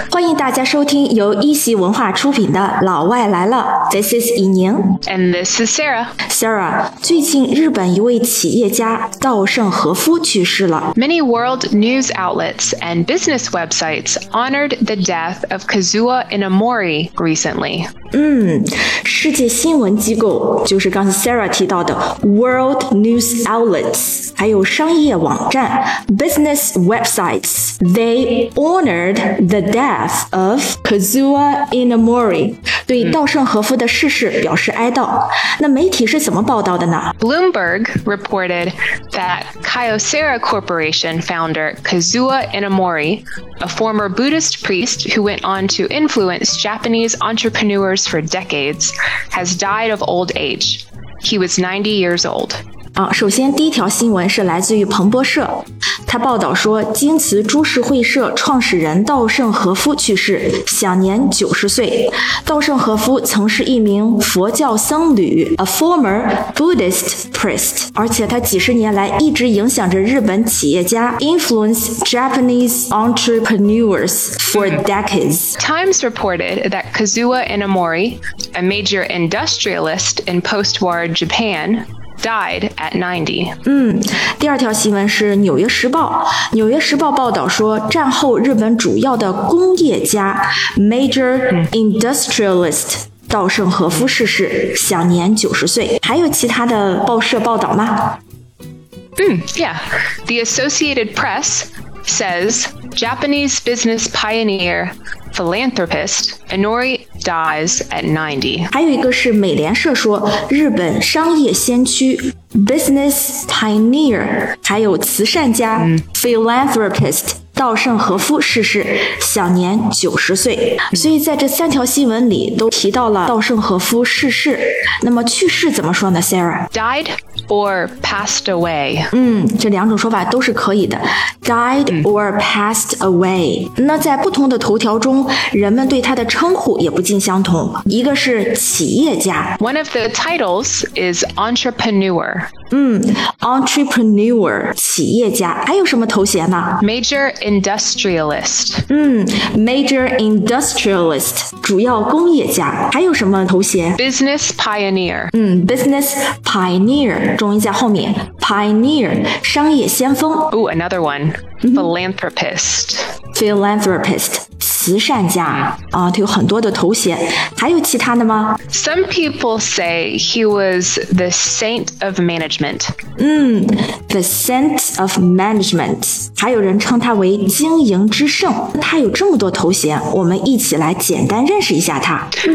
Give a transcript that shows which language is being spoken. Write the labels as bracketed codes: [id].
[zh] 欢迎大家收听由一席文化出品的《老外来了》。 [en] This is Yining. And this is Sarah. [zh] Sarah, 最近日本一位企业家稻盛和夫去世了。 [en] Many world news outlets and business websites honored the death of Kazuo Inamori recently. [zh] 世界新闻机构就是刚才 Sarah 提到的 world news outlets, 还有商业网站 business. [en] Websites. They honored the death of Kazuo Inamori. [zh] 对稻盛和夫的逝世表示哀悼。那媒体是怎么报道的呢？ [en] Bloomberg reported that Kyocera Corporation founder Kazuo Inamori, a former Buddhist priest who went on to influence Japanese entrepreneurs for decades, has died of old age. He was 90 years old. [zh] 首先第一条新闻是来自于彭博社，他报道说京瓷株式会社创始人稻盛和夫去世，享年90岁。稻盛和夫曾是一名佛教僧侣 a former Buddhist priest, 而且他几十年来一直影响着日本企业家 influence Japanese entrepreneurs for decades. [en] Times reported that Kazuo Inamori, a major industrialist in post-war Japan,died at 90. [zh] 第二条新闻是纽约时报。纽约时报报道说战后日本主要的工业家 major industrialist稻盛和夫逝世，享年90岁。还有其他的报社报道吗？ [en] Yeah. The Associated Press says Japanese business pioneer philanthropist Inori dies at 90. [zh] 还有一个是美联社说日本商业先驱 business pioneer 还有慈善家 philanthropist稻盛和夫逝世，享年90岁。所以在这三条新闻里都提到了稻盛和夫逝世。那么去世怎么说呢 ,Sarah? [en] Died or passed away. [zh] 这两种说法都是可以的。 [en] Died or passed away. [zh] 那在不同的头条中人们对他的称呼也不尽相同。一个是企业家。 [en] One of the titles is entrepreneur. Entrepreneur, 企业家。 [zh] 还有什么头衔呢？ [en] Major industrialist. Major industrialist, 主要工业家。 [zh] 还有什么头衔？ [en] Business pioneer. [zh] Business pioneer, 中文在后面。Pioneer, 商业先锋。 [en] Ooh, another one. Philanthropist. Philanthropist. [zh] 慈善家啊，他有很多的头衔，还有其他的吗？ [en] Some people say he was the saint of management. The saint of management. [zh] 还有人称他为经营之圣。他有这么多头衔，我们一起来简单认识一下他。